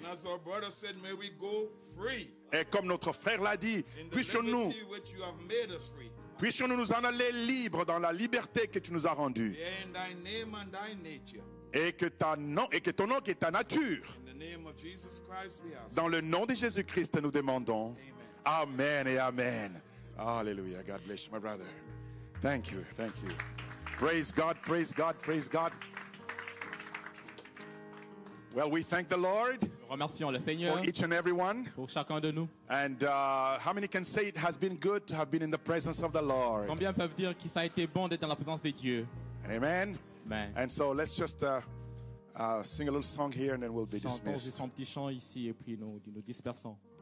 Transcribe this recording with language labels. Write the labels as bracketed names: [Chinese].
[English] And as our brother said, may we go free. [French] Et comme notre frère l'a dit, puissions-nous. [English] Which you have made us free. [French] Puissions-nous nous en aller libres dans la liberté que tu nous as rendue. [English] In thy name and thy nature. [French] Et que, ta nom, et que ton nom qui est ta nature. [English] In the name of Jesus Christ, we ask. [French] Dans le nom de Jésus-Christ, nous demandons. [English] Amen, amen et amen. Alléluia. God bless you, my brother. Thank you, thank you. Praise God, praise God, praise God. Well, we thank the Lord. [French] Remercions le Seigneur [English] for each and everyone. [French] Pour chacun de nous. [English] And how many can say it has been good to have been in the presence of the Lord? [French] Combien peuvent dire que ça a été bon d'être dans la présence de Dieu? [English] Amen. Ben. And so let's just sing a little song here and then we'll be dismissed. [French] Chantons son petit chant ici et puis nous dispersons.